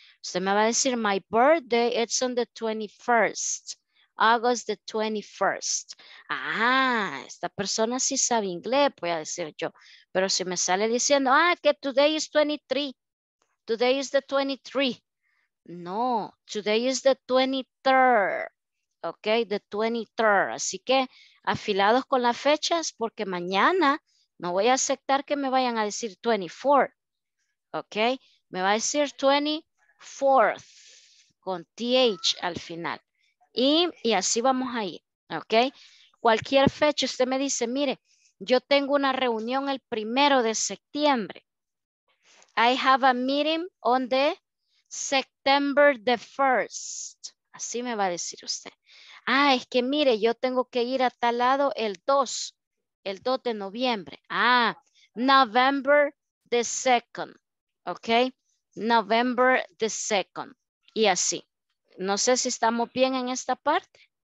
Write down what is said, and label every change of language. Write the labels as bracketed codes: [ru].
[es] Usted me va a decir, [en] my birthday is on the 21st, August the 21st. [es] Ah, esta persona sí sabe inglés, voy a decir yo. Pero si me sale diciendo, ah, que [en] today is 23, today is the 23. No, today is the 23rd, ok, the 23rd. [es] Así que afilados con las fechas, porque mañana no voy a aceptar que me vayan a decir 24, ok. Me va a decir 24th con TH al final. Y así vamos a ir, ¿ok? Cualquier fecha, usted me dice, mire, yo tengo una reunión el 1 de septiembre. [en] I have a meeting on the September the 1st. [es] Así me va a decir usted. Ah, es que mire, yo tengo que ir a tal lado el 2 de noviembre. [en] Ah, November the 2nd, ¿ok? November the 2nd. [es] Y así. No sé si estamos bien en esta parte.